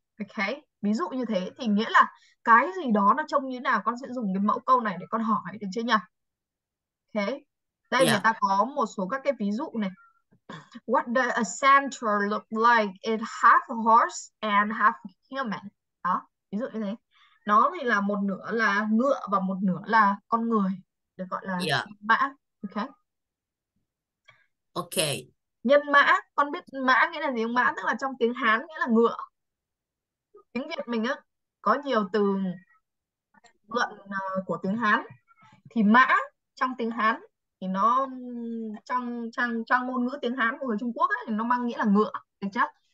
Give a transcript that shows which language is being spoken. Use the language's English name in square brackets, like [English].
[Vietnamese] Okay, ví dụ như thế thì nghĩa là cái gì đó nó trông như thế nào, con sẽ dùng cái mẫu câu này để con hỏi, được chưa nhỉ? Okay, đây người [English] Yeah. [Vietnamese] ta có một số các cái ví dụ này. [English] What does a centaur look like? It half a horse and half a human. [Vietnamese] Đó, ví dụ như thế. Nó thì là một nửa là ngựa và một nửa là con người, được gọi là [English] Yeah. [Vietnamese] mã. Okay. [English] Okay. [Vietnamese] Nhân mã, con biết mã nghĩa là gì không? Mã tức là trong tiếng Hán nghĩa là ngựa. Tiếng Việt mình á có nhiều từ luận của tiếng Hán, thì mã trong tiếng Hán thì nó trong trong trong ngôn ngữ tiếng Hán của người Trung Quốc ấy, thì nó mang nghĩa là ngựa, được chưa?